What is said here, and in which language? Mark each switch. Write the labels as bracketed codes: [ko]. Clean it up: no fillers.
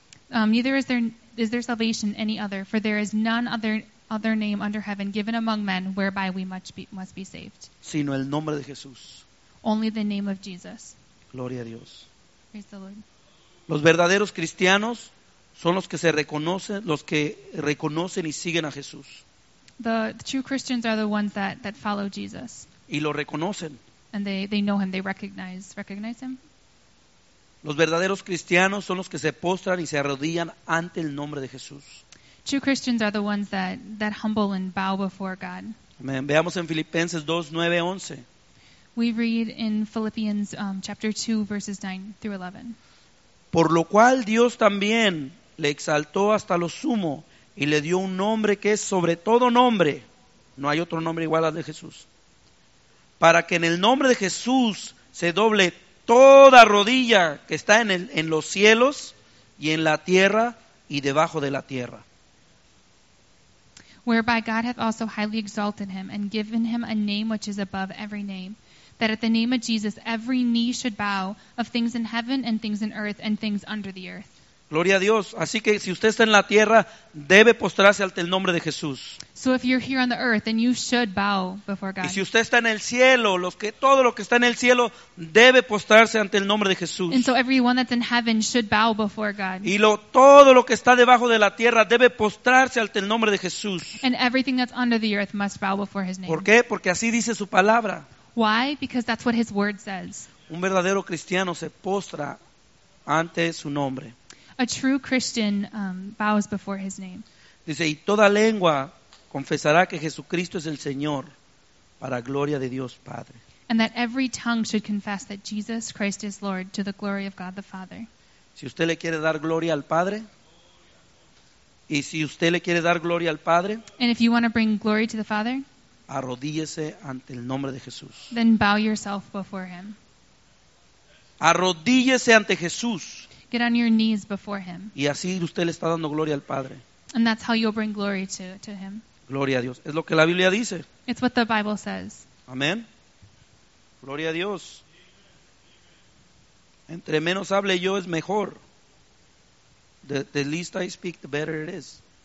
[en] Neither is there salvation any other, for there is none other name under heaven given among men whereby we must be saved. [es] Sino el nombre de Jesús. [en] Only the name of Jesus. [es] Gloria a Dios. [en] Praise the Lord. [es] Los verdaderos cristianos son los que se reconocen, los que reconocen y siguen a Jesús. [en] The true Christians are the ones that follow Jesus. [es] Y lo reconocen. [en] And they know him, they recognize him. [es] Los verdaderos cristianos son los que se postran y se arrodillan ante el nombre de Jesús. [en] True Christians are the ones that humble and bow before God. [es] Veamos en Filipenses 2:9-11. [en] We read in Philippians chapter 2 verses 9 through 11. [es] Por lo cual Dios también le exaltó hasta lo sumo y le dio un nombre que es sobre todo nombre. No hay otro nombre igual al de Jesús. Para que en el nombre de Jesús se doble toda rodilla que está en los cielos y en la tierra y debajo de la tierra. [en] Whereby God hath also highly exalted him and given him a name which is above every name. That at the name of Jesus every knee should bow of things in heaven and things in earth and things under the earth. [es] Gloria a Dios. Así que si usted está en la tierra, debe postrarse ante el nombre de Jesús. [en] So if you're here on the earth, then you should bow before God. [es] Y si usted está en el cielo, todo lo que está en el cielo debe postrarse ante el nombre de Jesús. [en] And so everyone that's in heaven should bow before God. [es] Y todo lo que está debajo de la tierra debe postrarse ante el nombre de Jesús. [en] And everything that's under the earth must bow before his name. [es] ¿Por qué? Porque así dice su palabra. [en] Why? Because that's what his word says. [es] Un verdadero cristiano se postra ante su nombre. [en] A true Christian bows before his name. [es] Dice, y toda lengua confesará que Jesucristo es el Señor para gloria de Dios Padre. [en] And that every tongue should confess that Jesus Christ is Lord to the glory of God the Father. [es] Si usted le quiere dar gloria al Padre, y si usted le quiere dar gloria al Padre, [en] and if you want to bring glory to the Father, [es] arrodíllese ante el nombre de Jesús. [en] Then bow yourself before him. [es] Arrodíllese ante Jesús. [en] Get on your knees before him. [es] Y así usted le está dando gloria al Padre. [en] And that's how you'll bring glory to him. [es] Gloria a Dios. Es lo que la Biblia dice. [en] It's what the Bible says. [es] Amén. Gloria a Dios. Entre menos hable yo es mejor. [en] The least I speak, the better it is.